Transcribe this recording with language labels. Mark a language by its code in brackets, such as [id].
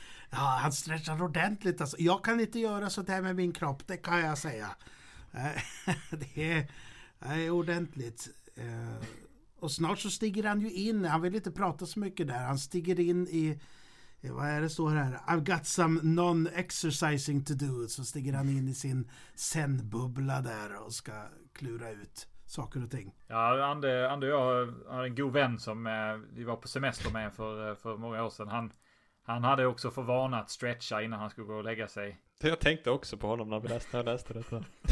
[sv] Ja, han stretchar ordentligt alltså. Jag kan inte göra så där med min kropp, det kan jag säga. Det är ordentligt. Och snart så stiger han ju in. Han vill inte prata så mycket där. Han stiger in i, vad är det så här? [en] I've got some non-exercising to do. [sv] Så stiger han in i sin zen-bubbla där och ska klura ut saker och ting. Ja, Ande och jag har en god vän som vi var på semester med för många år sedan. Han hade också för vana att stretcha innan han skulle gå och lägga sig. Jag tänkte också på honom när vi läste detta.